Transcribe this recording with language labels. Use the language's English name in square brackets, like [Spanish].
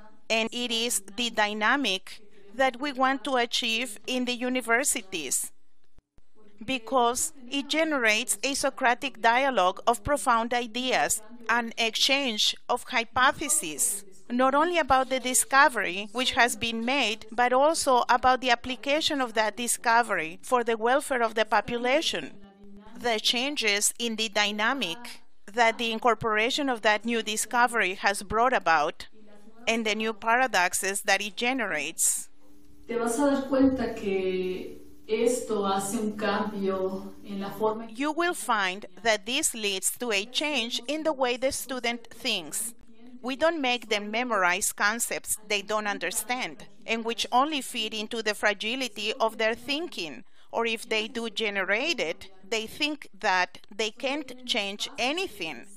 [English] And it is the dynamic that we want to achieve in the universities, because it generates a Socratic dialogue of profound ideas, an exchange of hypotheses, not only about the discovery which has been made, but also about the application of that discovery for the welfare of the population. The changes in the dynamic that the incorporation of that new discovery has brought about, and the new paradoxes that it generates. [Spanish] Te vas a dar cuenta que esto hace un cambio en la forma... [English] You will find that this leads to a change in the way the student thinks. We don't make them memorize concepts they don't understand and which only feed into the fragility of their thinking. Or if they do generate it, they think that they can't change anything.